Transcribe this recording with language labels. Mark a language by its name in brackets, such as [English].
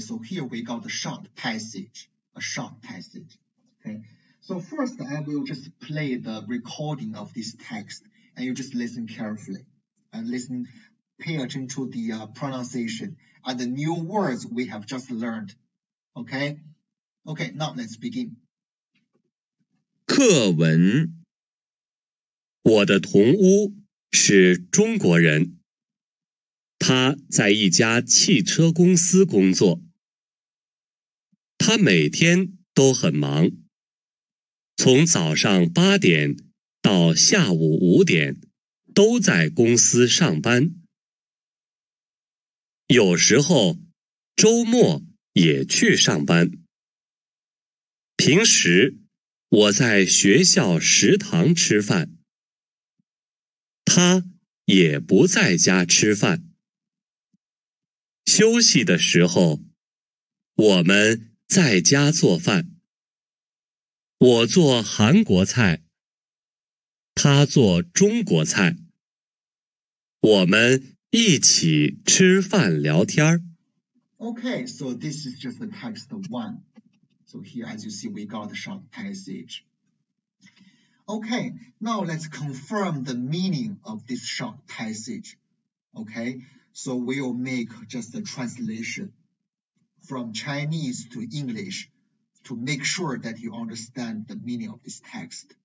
[English] So here we got a short passage, okay? So first, I will just play the recording of this text, and you just listen carefully, and listen, pay attention to the pronunciation and the new words we have just learned, okay? Okay, now let's begin. [Chinese] 课文 我的同屋是中国人, 他在一家汽车公司工作, 他每天都很忙, 从早上8点到下午5点, 都在公司上班, 有时候周末也去上班, 平时, 我在学校食堂吃饭, 他也不在家吃饭, 休息的时候, 我们在家做饭, 我做韩国菜, 他做中国菜, 我们一起吃饭聊天。 [English] Okay, so this is just the text one. So here, as you see, we got the short passage. Okay, now let's confirm the meaning of this short passage. Okay, so we'll make just a translation from Chinese to English to make sure that you understand the meaning of this text.